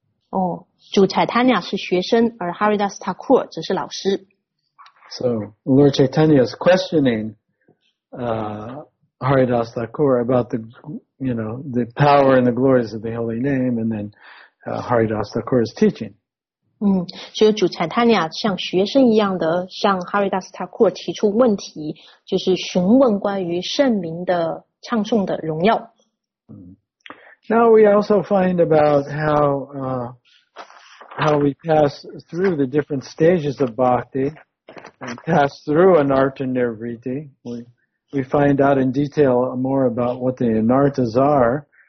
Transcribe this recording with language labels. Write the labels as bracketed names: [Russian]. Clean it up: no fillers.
[Chinese] Oh, 主 Chaitanya 是学生，而 Haridas Thakur 则是老师。 [English] So Lord Chaitanya is questioning Haridas Thakur about the power and the glories of the holy name, and then Haridas Thakur is teaching. [Chinese] 嗯，所以主采他俩像学生一样的向哈瑞达斯塔库尔提出问题，就是询问关于圣名的唱诵的荣耀。 [English] Now we also find about how we pass through the different stages of bhakti and pass through anartha nirvriti. We find out in detail more about what the anarthas are.